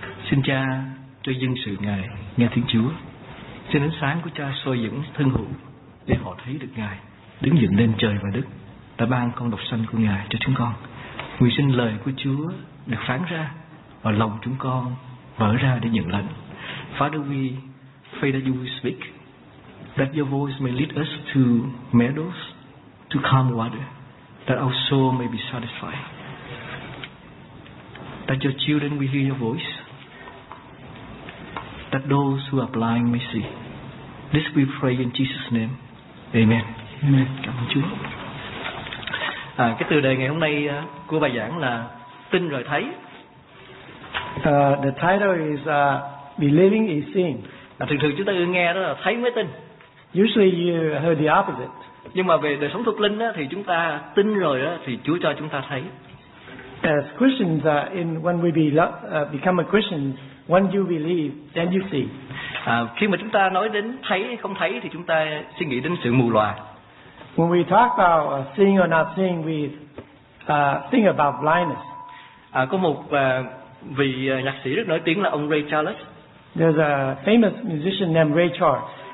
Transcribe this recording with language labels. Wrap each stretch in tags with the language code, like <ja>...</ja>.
<vi>Xin Cha cho dân sự Ngài nghe tiếng Chúa. Xin ánh sáng của Cha soi dẫn thân hữu để họ thấy được Ngài đứng dựng lên trời và đất, đã ban con độc sanh của Ngài cho chúng con. Nguyện xin lời của Chúa được phán ra và lòng chúng con mở ra để nhận lãnh.</vi> <en>Father, we pray that you will speak, that your voice may lead us to meadows, to calm water, that our soul may be satisfied. That your children will hear your voice, that those who are blind may see. This we pray in Jesus' name. Amen. Amen.</en> <vi>Cảm ơn Chúa. Cái từ đề ngày hôm nay của bài giảng là tin rồi thấy.</vi> <en>The title is Believing is Seeing.</en> <vi>Thường thường chúng ta nghe đó là thấy mới tin.</vi> <en>Usually you heard the opposite.</en> <vi>Nhưng mà về đời sống thuộc linh đó, thì chúng ta tin rồi đó, thì Chúa cho chúng ta thấy.</vi> <en>As Christians, when we become a Christian, when you believe, then you see.</en> <vi>Khi mà chúng ta nói đến thấy hay không thấy thì chúng ta suy nghĩ đến sự mù lòa.</vi> <en>When we talk about seeing or not seeing, we think about blindness.</en> <vi>Có một vị nhạc sĩ rất nổi tiếng là ông Ray Charles.</vi> <en>There's a famous musician named Ray Charles.</en>